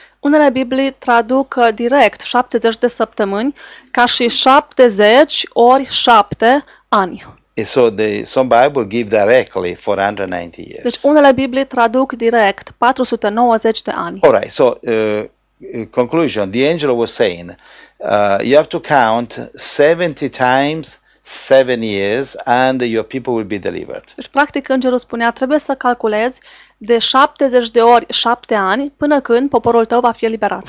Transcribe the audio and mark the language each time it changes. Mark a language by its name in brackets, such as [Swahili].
[Romanian] Unele Biblii traduc direct 70 de săptămâni ca și 70 ori 7 ani. [English] So some Bible give directly 490 years. [Romanian] Deci unele Biblii traduc direct 490 de ani. [English] All right, so conclusion, the angel was saying, you have to count 70 times 7 years and your people will be delivered. [Romanian] Deci, practic îngerul spunea trebuie să calculezi de 70 de ori 7 ani până când poporul tău va fi eliberat.